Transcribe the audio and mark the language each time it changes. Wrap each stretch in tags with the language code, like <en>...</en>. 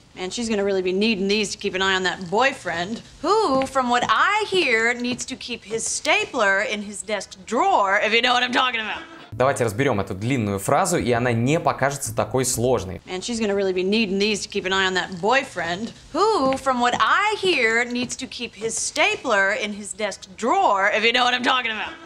<en>And she's gonna really be needing these to keep an eye on that boyfriend, who, from what I hear, needs to keep his stapler in his desk drawer, if you know what I'm talking about.</en> <ru>Давайте разберем эту длинную фразу, и она не покажется такой сложной.</ru> <en>And she's gonna really be needing these to keep an eye on that boyfriend, who, from what I hear, needs to keep his stapler in his desk drawer, if you know what I'm talking about.</en>